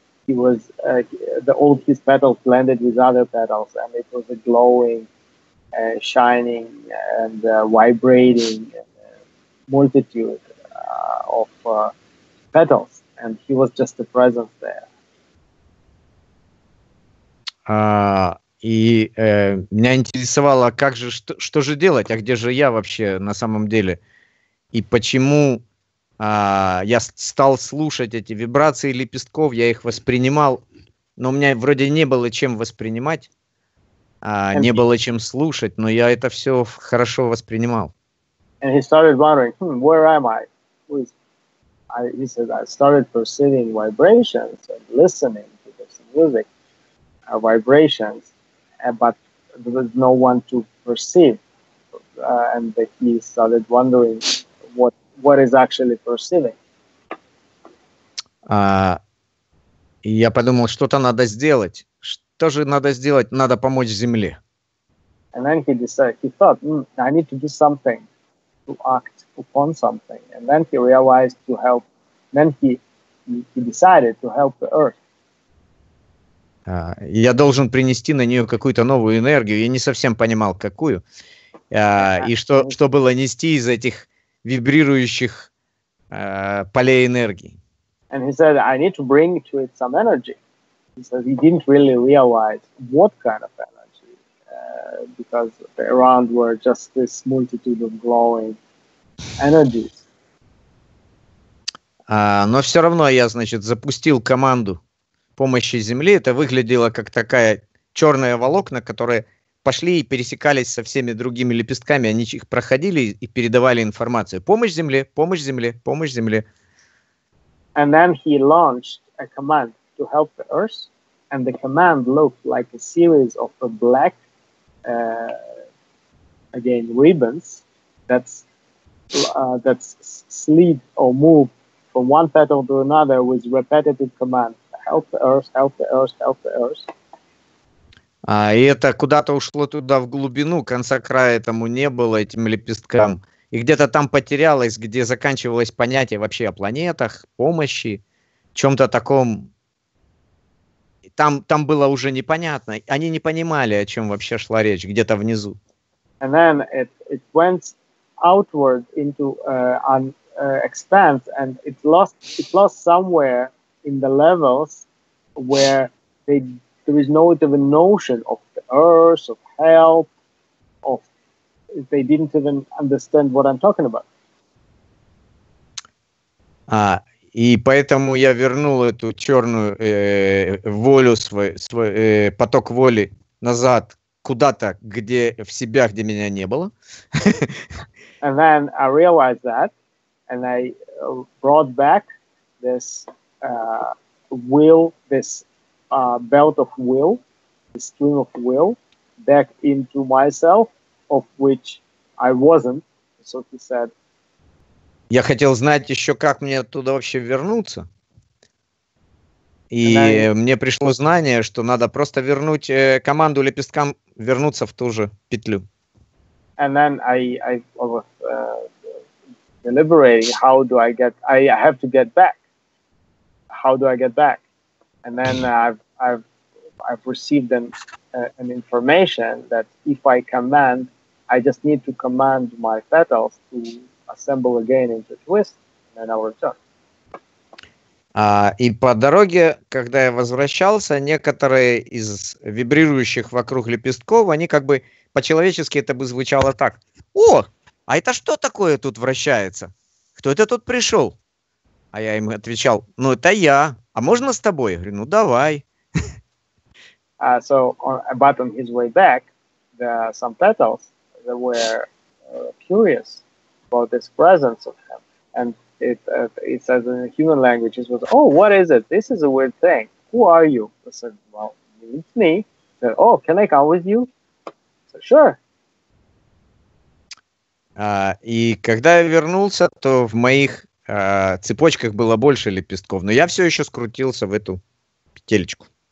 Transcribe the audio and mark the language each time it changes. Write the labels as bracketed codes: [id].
[en] He was all his petals blended with other petals, and it was a glowing, shining, and vibrating multitude of petals, and he was just a presence there. [ru] Меня интересовало, как же, что же делать, а где же я вообще на самом деле? И почему я стал слушать эти вибрации лепестков, я их воспринимал, но у меня вроде не было чем воспринимать, не было чем слушать, но я это все хорошо воспринимал. [en] And he started wondering, where am I? He said, I started perceiving vibrations and listening to this music. Vibrations, but there was no one to perceive, and he started wondering what is actually perceiving. [ru] Я подумал, что-то надо сделать. Что же надо сделать? Надо помочь Земле. [en] And then he decided. He thought, I need to do something, to act upon something. And then he realized to help. Then he decided to help the Earth. [ru] Я должен принести на нее какую-то новую энергию. Я не совсем понимал, какую. И что было нести из этих вибрирующих полей энергии. [en] And he said, I need to bring to it some energy. He said, he didn't really realize what kind of energy. Because around were just this multitude of glowing energies. [ru] Но все равно я, значит, запустил команду помощи Земли. Это выглядело как такая черная волокна, которые пошли и пересекались со всеми другими лепестками. Они их проходили и передавали информацию. Помощь Земле, помощь Земле, помощь Земле. [en] And then he launched a command to help the Earth, and the command looked like a series of a black again ribbons that's slid or move from one petal to another with repetitive command. Help the Earth, help the Earth, help the Earth. [ru] И это куда-то ушло туда в глубину, конца края этому не было, этим лепесткам. и где-то там потерялось, где заканчивалось понятие вообще о планетах, помощи, чем-то таком. Там, там было уже непонятно. Они не понимали, о чем вообще шла речь, где-то внизу. [en] And then it went outward into an expanse, and it lost somewhere in the levels where there is no even notion of the earth, of help, of they didn't even understand what I'm talking about. [ru] И поэтому я вернул эту черную волю свой поток воли назад куда-то, где в себя, где меня не было. [en] And then I realized that, and I brought back this will, this belt of will, this stream of will, back into myself, of which I wasn't, so he said. [ru] Я хотел знать еще, как мне оттуда вообще вернуться. И мне пришло знание, что надо просто вернуть команду лепесткам, вернуться в ту же петлю. [en] And then I was deliberating, how do I get, I have to get back. How do I get back? And then I've received an information that if I command, I just need to command my petals to assemble again into twist, and then I'll return. [ru] И по дороге, когда я возвращался, некоторые из вибрирующих вокруг лепестков, они как бы по-человечески это бы звучало так. О, а это что такое тут вращается? Кто это тут пришел? А я им отвечал, ну это я. А можно с тобой? Я говорю, ну давай. [en] So, but on his way back, there are some petals that were curious about this presence of him. And it says in human language, it was, oh, what is it? This is a weird thing. Who are you? I said, well, it's me. He said, oh, can I come with you? I said, sure. [ru] И когда я вернулся, то в моих цепочках было больше лепестков, но я все еще скрутился в эту петельку.